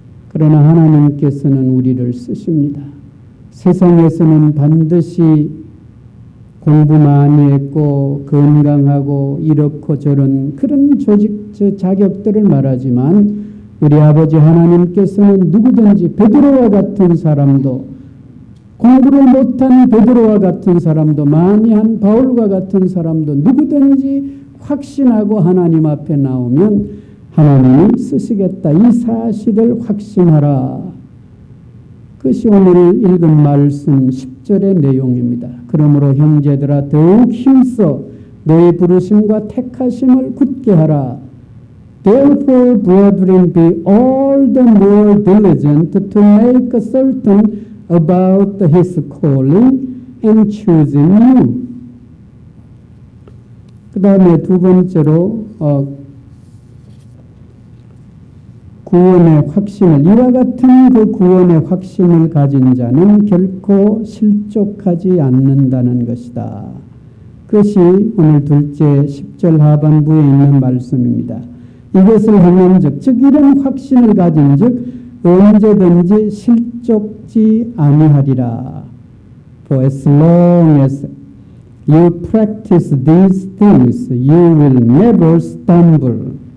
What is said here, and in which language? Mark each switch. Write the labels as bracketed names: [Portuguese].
[Korean] 그러나 하나님께서는 우리를 쓰십니다. 세상에서는 반드시 공부 많이 했고 건강하고 이렇고 저런 그런 조직 자격들을 말하지만 우리 아버지 하나님께서는 누구든지 베드로와 같은 사람도 공부를 못한 베드로와 같은 사람도 많이 한 바울과 같은 사람도 누구든지 확신하고 하나님 앞에 나오면 하나님이 쓰시겠다. 이 사실을 확신하라. 그것이 오늘 읽은 말씀 10절의 내용입니다. 그러므로 형제들아 더욱 힘써 너희 부르심과 택하심을 굳게 하라. [English] Therefore, brethren, be all the more diligent to make certain about his calling and choosing you. [Korean] 그 다음에 두 번째로 구원의 확신을 이와 같은 그 구원의 확신을 가진 자는 결코 실족하지 않는다는 것이다. 그것이 오늘 둘째 10절 하반부에 있는 말씀입니다. 이것을 하는 즉 이런 확신을 가진 즉 언제든지 실족지 아니하리라. [English] For as long as you practice these things, you will never stumble.